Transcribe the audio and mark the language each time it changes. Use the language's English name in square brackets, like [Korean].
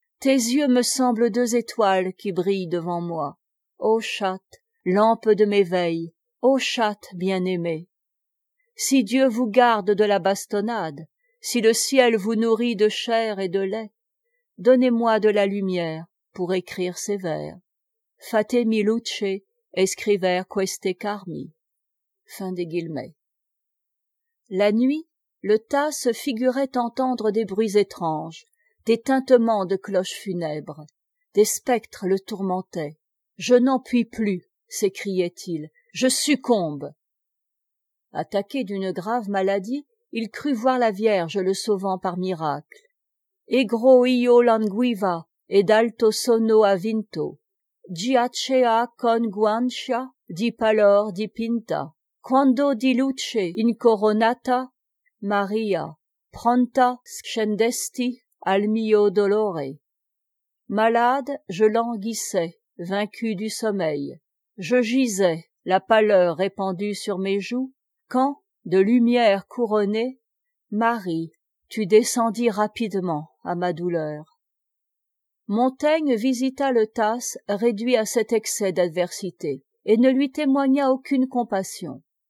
[French] Tes yeux me semblent deux étoiles qui brillent devant moi. Ô chatte, lampe de mes veilles, ô chatte bien-aimée. Si Dieu vous garde de la bastonnade, si le ciel vous nourrit de chair et de lait, donnez-moi de la lumière pour écrire ces vers. [Italian] Fatemi luce, escriver queste carmi. [French] Fin des guillemets. La nuit, le Tasso figurait entendre des bruits étranges, des tintements de cloches funèbres. Des spectres le tourmentaient. « Je n'en puis plus, s'écriait-il, je succombe !» Attaqué d'une grave maladie, il crut voir la Vierge le sauvant par miracle. [Italian] Egro io languiva ed alto sono avvinto. Giacea con guancia di pallor dipinta. Quando di luce incoronata, Maria, pronta scendesti al mio dolore. [French] Malade, je languissais, vaincu du sommeil. Je gisais, la pâleur répandue sur mes joues, quand, de lumière couronnée, Marie, tu descendis rapidement à ma douleur. Montaigne visita le Tasso réduit à cet excès d'adversité et ne lui témoigna aucune compassion.